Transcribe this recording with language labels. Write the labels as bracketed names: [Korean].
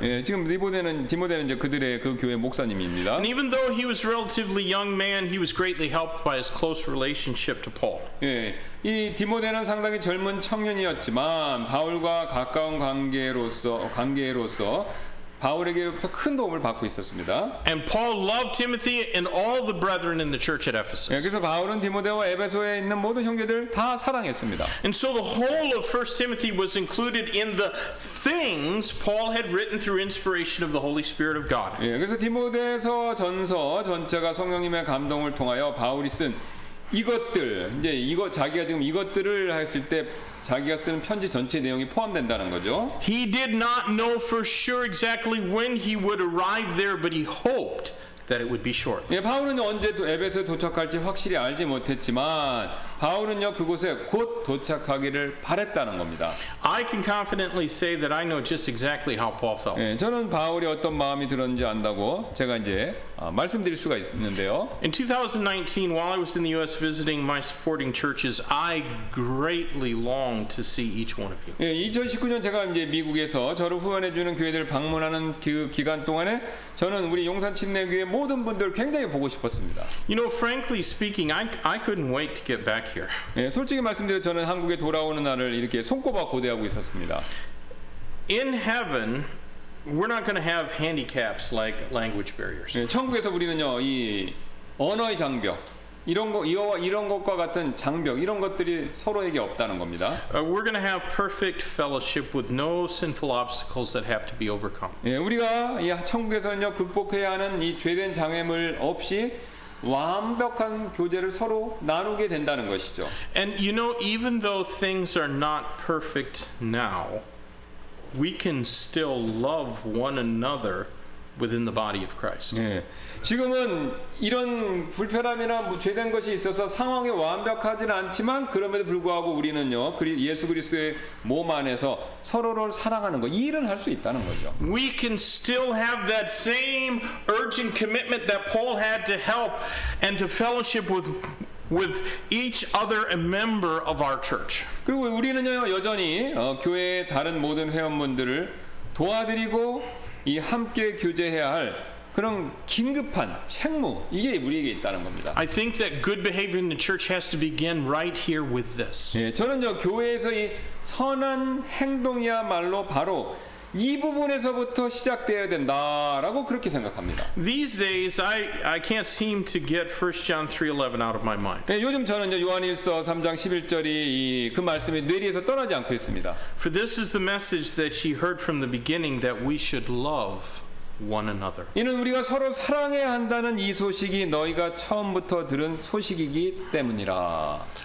[Korean] 예, 지금 디모데는 이제 그들의 그 교회 목사님입니다. [English] And even though he was a relatively young man, he was greatly helped by his close relationship to Paul. [Korean] 예. 이 디모데는 상당히 젊은 청년이었지만 바울과 가까운 관계로서 바울에게부터 큰 도움을 받고 있었습니다. [English] And Paul loved Timothy and all the brethren in the church at Ephesus. [Korean] 그래서 바울은 디모데와 에베소에 있는 모든 형제들 다 사랑했습니다. [English] And so the whole of 1 Timothy was included in the things Paul had written through inspiration of the Holy Spirit of God. [Korean] 예, 그래서 디모데서 전서 전체가 성령님의 감동을 통하여 바울이 쓴 이것들 이제 이거 자기가 지금 이것들을 했을 때 자기가 쓴 편지 전체 내용이 포함된다는 거죠. [English] He did not know for sure exactly when he would arrive there, but he hoped that it would be short. [Korean] 예, 바울은 언제 에베소에 도착할지 확실히 알지 못했지만 바울은요 그곳에 곧 도착하기를 바랬다는 겁니다. [English] I can confidently say that I know just exactly how Paul felt. [Korean] 예, 저는 바울이 어떤 마음이 들었는지 안다고 제가 이제 말씀드릴 수가 있는데요. [English] In 2019, while I was in the U.S. visiting my supporting churches, I greatly longed to see each one of you. [Korean] 예, 2019년 제가 이제 미국에서 저를 후원해 주는 교회들 방문하는 그 기간 동안에 저는 우리 용산 침례교회 모든 분들 굉장히 보고 싶었습니다. [English] You know, frankly speaking, I couldn't wait to get back here. [Korean] 예, 솔직히 말씀드려 저는 한국에 돌아오는 날을 이렇게 손꼽아 고대하고 있었습니다. [English] In heaven. We're not going to have handicaps like language barriers. [Korean] 예, 천국에서 우리는요 이 언어의 장벽 이런 거 이런 것과 같은 장벽 이런 것들이 서로에게 없다는 겁니다. [English] We're going to have perfect fellowship with no sinful obstacles that have to be overcome. [Korean] 예, 우리가 이 천국에서는요 극복해야 하는 이 죄된 장애물 없이 완벽한 교제를 서로 나누게 된다는 것이죠. [English] And you know, even though things are not perfect now. We can still love one another within the body of Christ. [Korean] 예, 지금은 이런 불편함이나 죄된 것이 있어서 상황이 완벽하지는 않지만 그럼에도 불구하고 우리는요 예수 그리스도의 몸 안에서 서로를 사랑하는 것 이 일을 할 수 있다는 거죠. [English] We can still have that same urgent commitment that Paul had to help and to fellowship with each other a member of our church. [Korean] 그리고 우리는요 여전히 교회의 다른 모든 회원분들을 도와드리고 이 함께 교제해야 할 그런 긴급한 책무 이게 우리에게 있다는 겁니다. [English] I think that good behavior in the church has to begin right here with this. [Korean] 예, 저는요 교회에서 이 선한 행동이야말로 바로 이 부분에서부터 시작되어야 된다라고 그렇게 생각합니다. [English] These days I can't seem to get 1 John 3:11 out of my mind. [Korean] 예, 요즘 저는 요한일서 3장 11절이 그 말씀이 뇌리에서 떠나지 않고 있습니다. [English] For this is the message that she heard from the beginning that we should love one another. [Korean] 이는 우리가 서로 사랑해야 한다는 이 소식이 너희가 처음부터 들은 소식이기 때문이라.